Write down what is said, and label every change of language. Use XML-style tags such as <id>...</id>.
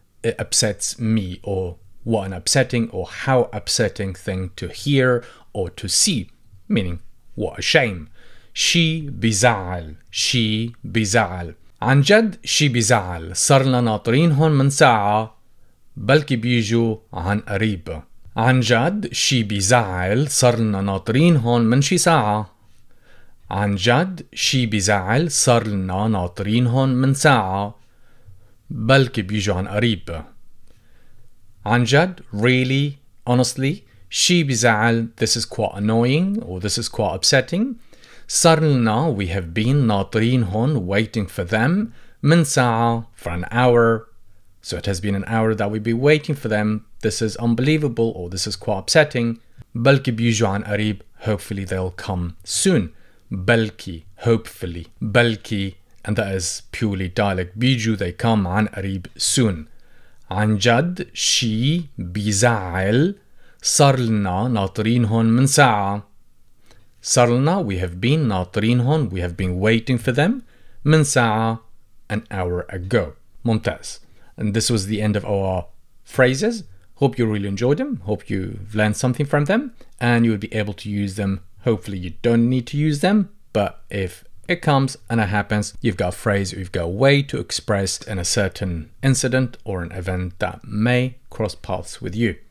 <en>It upsets me, or what an upsetting, or how upsetting thing to hear or to see. Meaning, what a shame.</en> <ar>She bizal. She bizal. عن جد she bizal. صرنا ناطرينهن من ساعة. بلكي بيجو عن قريب. عن جد شي بيزعل صرنا ناطرين هون من شي ساعة. عن جد شي بيزعل صرنا ناطرين هون من ساعة. بلكي بيجو عن قريب. عن جد</ar> <en>really honestly</en> <ar>شي بيزعل,</ar> <en>this is quite annoying or this is quite upsetting.</en> <ar>صرنا,</ar> <en>we have been,</en> <ar>ناطرين هون,</ar> <en>waiting for them,</en> <ar>من ساعة,</ar> <en>for an hour. So it has been an hour that we'd be waiting for them. This is unbelievable, or this is quite upsetting.</en> <ar>بلكي بيجو عن قريب.</ar> <en>Hopefully they'll come soon.</en> <ar>بلكي,</ar> <en>hopefully.</en> <ar>بلكي,</ar> <en>and that is purely dialect.</en> <ar>بيجو,</ar> <en>they come,</en> <ar>عن قريب,</ar> <en>soon.</en> <ar>عن جد شي بيزعل صرلنا ناطرينهن من ساعة. صرلنا,</ar> <en>we have been,</en> <ar>ناطرينهن,</ar> <en>we have been waiting for them,</en> <ar>من ساعة,</ar> <en>an hour ago.</en> <ar>ممتاز.</ar> <en>And this was the end of our phrases. Hope you really enjoyed them. Hope you've learned something from them and you would be able to use them. Hopefully you don't need to use them, but if it comes and it happens, you've got a phrase, you've got a way to express in a certain incident or an event that may cross paths with you.</en>